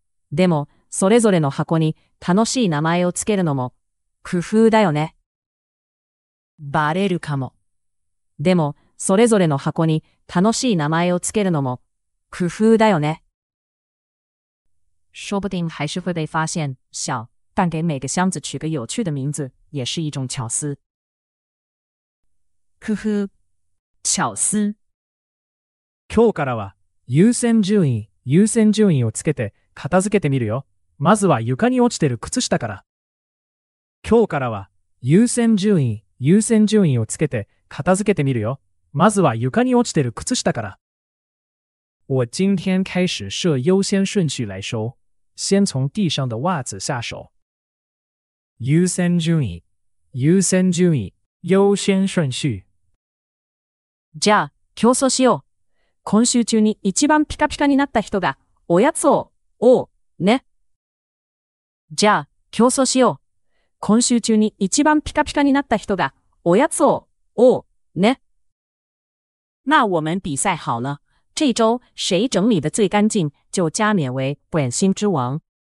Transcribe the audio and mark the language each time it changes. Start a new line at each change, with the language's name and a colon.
Japanese: でも、それぞれの箱に楽しい名前をつけるのも、工夫だよね。バレるかも。でも、それぞれの箱に楽しい名前をつけるのも、工夫だよね。
Chinese: 说不定还是会被发现、小、但给每个箱子取个有趣的名字、也是一种巧思。
Japanese: 工夫、巧思。今日からは、優先順位、優先順位をつけて、片付けてみるよ。まずは床に落ちてる靴下から。今日からは、優先順位、優先順位をつけて、片付けてみるよ。まずは床に落ちてる靴下から。
Chinese: 我今天开始设优先顺序来说。先从地上的袜子下手。
Japanese: 優先順位、優先順位、優先顺序。じゃあ、競争しよう。今週中に一番ピカピカになった人が、おやつを、おう、ね。じゃあ、競争しよう。今週中に一番ピカピカになった人が、おやつを、おう、ね。
Chinese: 那我们比赛好了。这周谁整理的最干净就加冕为点心之王。